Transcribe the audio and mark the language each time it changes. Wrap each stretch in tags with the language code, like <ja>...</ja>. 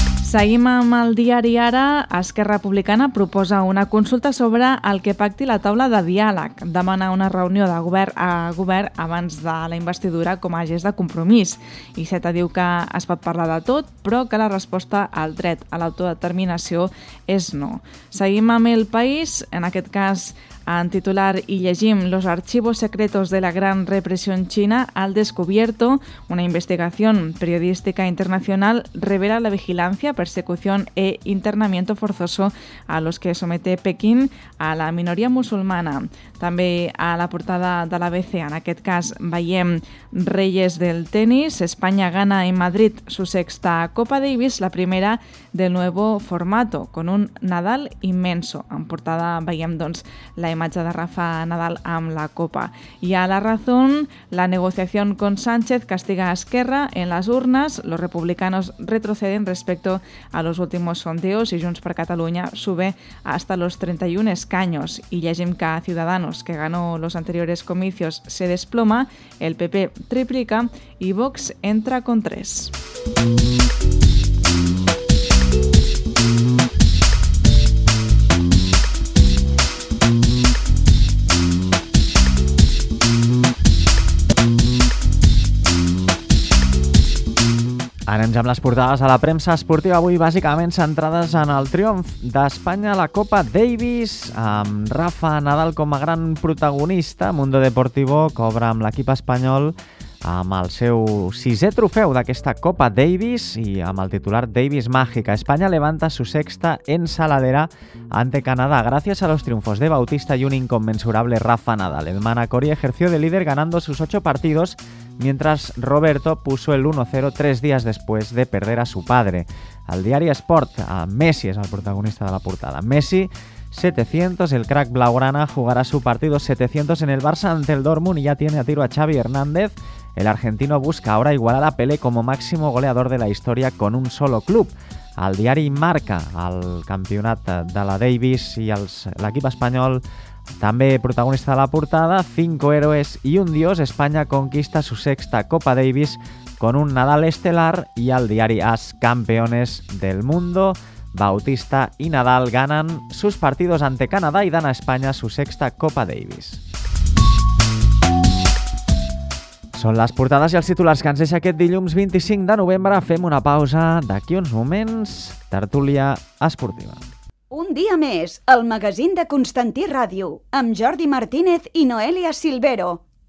<ca>Seguim amb el diari Ara. Esquerra Republicana proposa una consulta sobre el que pacti la taula de diàleg. Demana una reunió de govern a govern abans de la investidura com a gest de compromís. Iceta diu que es pot parlar de tot, però que la resposta al dret a l'autodeterminació és no. Seguim amb El País, en aquest cas en titular i llegim</ca> <es>«Los archivos secretos de la gran represión china al descubierto, una investigación periodística internacional revela la vigilancia, persecución e internamiento forzoso a los que somete Pekín a la minoría musulmana».</es> <ca>També a la portada de la BC, en aquest cas veiem</ca> <es>«Reyes del tenis, España gana en Madrid su sexta Copa Davis, la primera del nuevo formato, con un Nadal inmenso».</es> <ca>En portada veiem doncs la imatge de Rafa Nadal amb la Copa.</ca> <es>I a La Razón, la negociación con Sánchez castiga a Esquerra en las urnas, los republicanos retroceden respecto a los últimos sondeos y Junts per Catalunya sube hasta los 31 escaños.</es> <ca>I llegim que</ca> <es>Ciudadanos, que ganó los anteriores comicios, se desploma, el PP triplica y Vox entra con 3.</es> <ca>Anem ja amb les portades a la premsa esportiva, avui bàsicament centrades en el triomf d'Espanya a la Copa Davis, amb Rafa Nadal com a gran protagonista. Mundo Deportivo cobra amb l'equip espanyol amb el seu sisè trofeu d'aquesta Copa Davis i amb el titular Davis Mágica.</ca> <es>Espanya levanta su sexta en saladera ante Canadá gracias a los triunfos de Bautista y un inconmensurable Rafa Nadal. El manacorí ejerció de líder ganando sus 8 partidos mientras Roberto puso el 1-0 3 días después de perder a su padre.</es> <ca>Al diari Sport, a Messi es el protagonista de la portada.</ca> <es>Messi, 700, el crack blaugrana jugará su partido 700 en el Barça ante el Dortmund y ya tiene a tiro a Xavi Hernández. El argentino busca ahora igualar a Pelé como máximo goleador de la historia con un solo club.</es> <ca>Al diari Marca, al campionat de la Davis y al l'equip espanyol, també protagonista de la portada,</ca> <es>5 héroes y un dios, España conquista su sexta Copa Davis con un Nadal estelar, y al diari AS, campeones del mundo, Bautista y Nadal ganan sus partidos ante Canadá y dan a España su sexta Copa Davis.</es> <ca>Són les portades i els titulars que ens deixa aquest dilluns 25 de novembre. Fem una pausa d'aquí uns moments. Tertúlia esportiva. Un dia més, el magazín de Constantí Ràdio, amb Jordi Martínez i Noelia Silvero.</ca>